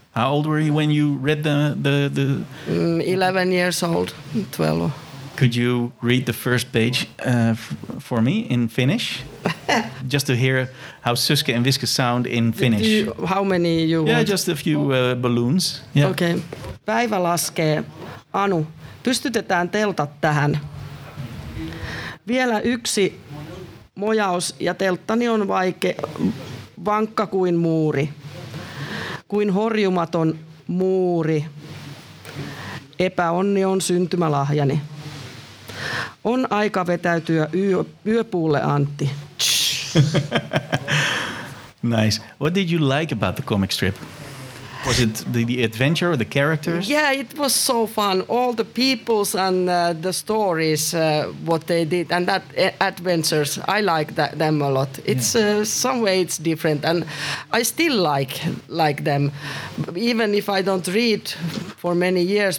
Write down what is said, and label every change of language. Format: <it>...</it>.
<en>How old were you when you read the 11 years old, 12. Could you read the first page for me in Finnish? Just to hear how Suske and Wiske sound in Finnish. How many you yeah, want? Yeah, just a few balloons. Yeah.</en> <fi>Okay. Päivä laskee. Anu, pystytetään teltat tähän. Vielä yksi mojaus ja telttani on vankka kuin muuri. Kuin horjumaton muuri. Epäonni on syntymälahjani. On aika vetäytyä yöpuulle, Antti.</fi> <en>Nice. What did you like about the comic strip? Was it the adventure or the characters? Yeah, it was so fun. All the peoples and the stories, what they did, and that adventures. I like them a lot. It's some way it's different, and I still like them, even if I don't read for many years.</en>